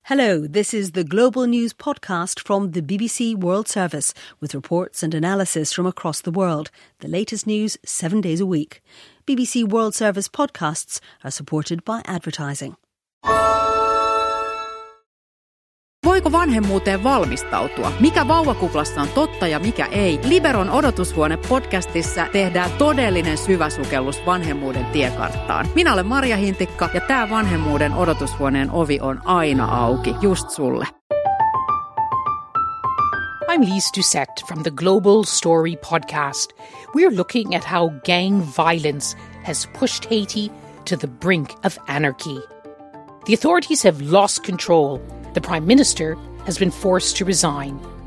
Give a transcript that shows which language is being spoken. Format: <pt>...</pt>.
<en>Hello, this is the Global News Podcast from the BBC World Service with reports and analysis from across the world. The latest news 7 days a week. BBC World Service podcasts are supported by advertising.</en> <fi>Voiko vanhemmuuteen valmistautua? Mikä vauvakuplassa on totta ja mikä ei? Liberon odotushuone-podcastissa tehdään todellinen syväsukellus vanhemmuuden tiekarttaan. Minä olen Marja Hintikka ja tämä vanhemmuuden odotushuoneen ovi on aina auki, just sulle.</fi> <en>I'm Lise Doucette from the Global Story Podcast. We're looking at how gang violence has pushed Haiti to the brink of anarchy. The authorities have lost control. The Prime Minister has been forced to resign.</en>